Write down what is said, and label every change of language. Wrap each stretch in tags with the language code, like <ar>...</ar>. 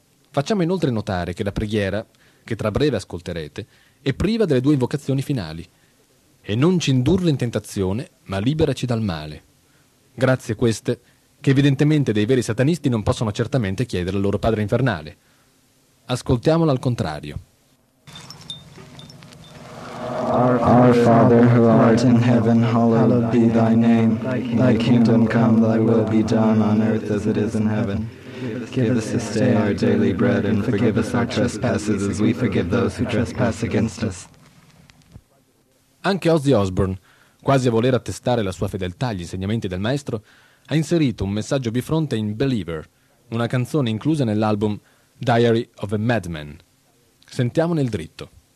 <it>Facciamo inoltre notare che la preghiera, che tra breve ascolterete, è priva delle due invocazioni finali: «E non ci indurre in tentazione, ma liberaci dal male». Grazie a queste, che evidentemente dei veri satanisti non possono certamente chiedere al loro padre infernale. Ascoltiamola al contrario.</it> <en>Our Father, who art in heaven, hallowed be thy name. Thy kingdom come, thy will be done on earth as it is in heaven. Give us this day our daily bread, and forgive us our trespasses as we forgive those who trespass against us.</en> <it>Anche Ozzy Osbourne, quasi a voler attestare la sua fedeltà agli insegnamenti del maestro, ha inserito un messaggio bifronte in Believer, una canzone inclusa nell'album Diary of a Madman. Sentiamo nel dritto.</it>